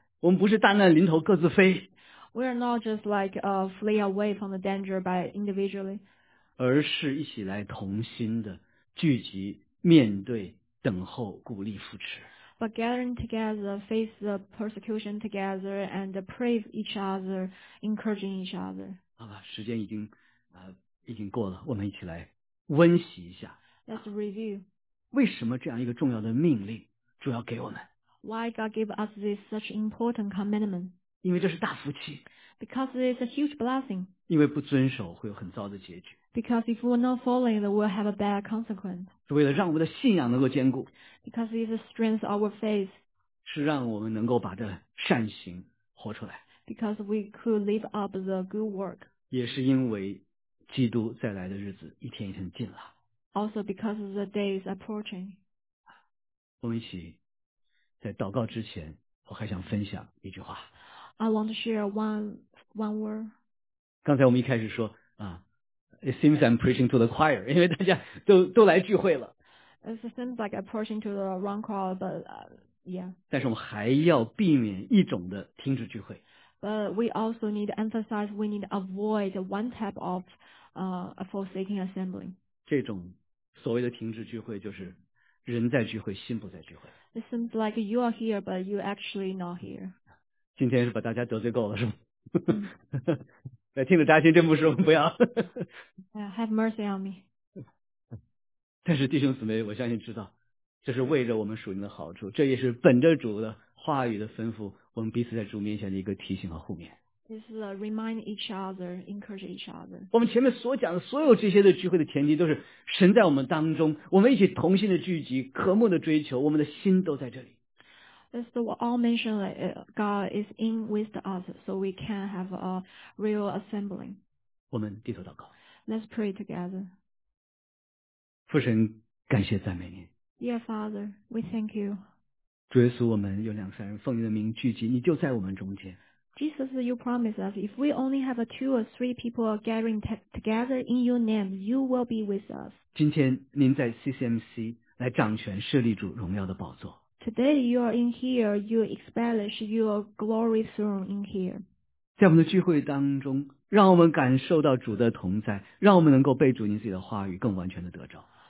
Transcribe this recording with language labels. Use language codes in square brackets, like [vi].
[zh] 我们不是大难临头各自飞。 [en] We are not just like flee away from the danger by individually. [zh] 而是一起来同心的聚集，面对，等候，鼓励，扶持。 [en] But gathering together, face the persecution together, and praise each other, encouraging each other. [zh] 好吧，时间已经过了，我们一起来温习一下。 [en] Let's review. [zh] 为什么这样一个重要的命令主要给我们？ [en] Why God gave us this such important commandment? [zh] 因为这是大福气。 [en] Because it's a huge blessing. [zh] 因为不遵守会有很糟的结局。 [en] Because if we're not following, we'll have a bad consequence. [zh] 是为了让我们的信仰能够坚固。 [en] Because it's a strength of our faith. [zh] 是让我们能够把这善行活出来。 [en] Because we could live up the good work. [zh] 也是因为基督再来的日子一天一天近了。 [en] Also because the day is approaching. [zh] 我们一起在祷告之前，我还想分享一句话。 [en] I want to share one word. [zh] 刚才我们一开始说啊。 [en] It seems I'm preaching to the choir, [zh] 因为大家都来聚会了。 [en] It seems like I'm preaching to the wrong crowd, but yeah. [zh] 但是我们还要避免一种的停止聚会。 [en] But we also need to emphasize we need to avoid one type of forsaking assembly. [zh] 这种所谓的停止聚会就是人在聚会，心不在聚会。 [en] It seems like you are here, but you actually not here. [zh] 今天是把大家得罪够了，是吗？在听着扎心真不舒服，不要。 [en] Have mercy on me. [zh] 但是弟兄姊妹，我相信知道，这是为着我们属灵的好处，这也是本着主的话语的吩咐，我们彼此在主面前的一个提醒和互勉。 [en] This is a remind each other, encourage each other. [zh] 我们前面所讲的所有这些的聚会的前提，都是神在我们当中，我们一起同心的聚集，渴慕的追求，我们的心都在这里。 [en] This is what all mentioned, like, God is in with us, so we can have a real assembly. [zh] 我们低头祷告。 [en] Let's pray together. [zh] 父神，感谢赞美您。 [en] Dear Father, we thank you. [zh] 主耶稣，我们有两三人奉你的名聚集，你就在我们中间。 [en] Jesus, you promise us, if we only have a two or three people gathering together in your name, you will be with us. [zh] 今天您在 CCMC 来掌权，设立主荣耀的宝座。 [en] Today you are in here, you establish your glory throne in here. [zh] 在我们的聚会当中，让我们感受到主的同在，让我们能够被主您自己的话语更完全的得着。